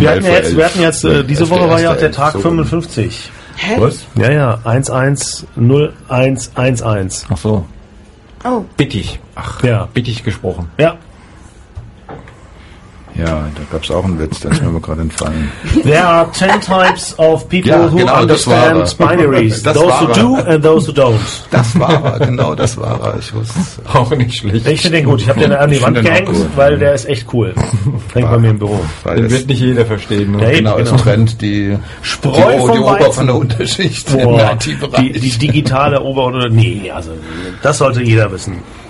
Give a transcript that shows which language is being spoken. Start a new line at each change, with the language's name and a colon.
German: Wir hatten jetzt diese Woche war ja auch der Tag 55. Hä? Was? Ja, ja. 110111. Ach so. Oh. Bittig. Ach ja. Bittig gesprochen. Ja. Ja, da gab es auch einen Witz, der ist mir gerade entfallen.
English: There are 10 types of people who understand binaries. Those who do and those who don't.
German: Das war er, genau, das war er. Ich wusste es auch nicht schlecht. Ich finde den gut, ich habe den an die Wand gehängt, weil der ist echt cool. Hängt bei mir im Büro. Weil den wird nicht jeder verstehen. Genau, im Trend die Spreu die Ober von der Unterschicht im IT-Bereich. Die digitale Ober- oder nee, also das sollte jeder wissen.